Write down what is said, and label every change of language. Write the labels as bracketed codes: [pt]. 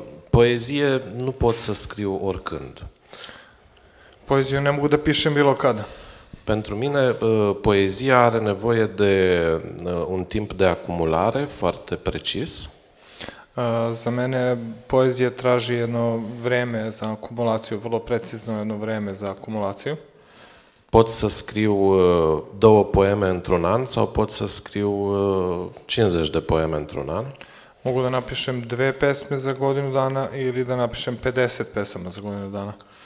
[ro] Poezije nu pot să scriu oricând. [sr] Poeziju ne mogu da pišem bilo kada. [ro] Pentru mine poezia are nevoie de un timp de acumulare foarte precis. [sr] Za mene poezija traži jedno vreme za akumulaciju, vrlo precizno jedno vreme za akumulaciju. [ro] Pot să scriu două poeme într-un an sau pot să scriu 50 de poeme într-un an? [sr] Mogu da napišem dve pesme za godinu dana ili da napišem 50 pesama za godinu dana.